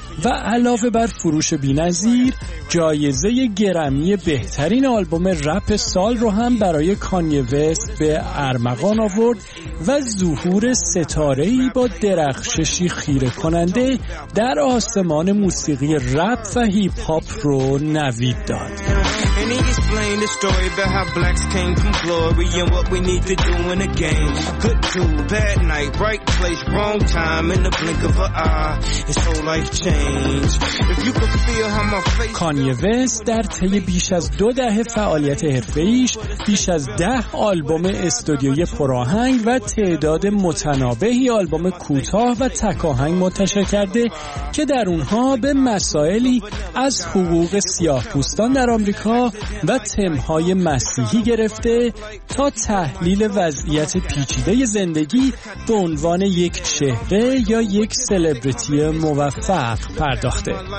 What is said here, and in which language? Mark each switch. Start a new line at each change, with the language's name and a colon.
Persian: و علاوه بر فروش بی‌نظیر جایزه گرمی بهترین آلبوم رپ سال رو هم برای کانیه وست به ارمغان آورد و ظهور ستاره‌ای با درخششی خیره کننده در آسمان موسیقی رپ و هیپ هاپ رو نوید داد.
English: And he explained the story about how blacks came from glory and what we need to do in a game. Good tool, bad night, right place, wrong time, in the blink of an eye, his whole life changed. If you could feel how my face...
Persian: کانیه وست در طی بیش از دو دهه فعالیت حرفه‌ایش بیش از 10 آلبوم استودیویی پرآهنگ و تعداد متنابهی آلبوم کوتاه و تکاهنگ منتشر کرده که در اونها به مسائلی از حقوق سیاه‌پوست در آمریکا و تم‌های مسیحی گرفته تا تحلیل وضعیت پیچیده زندگی به عنوان یک چهره یا یک سلبریتی موفق پرداخته.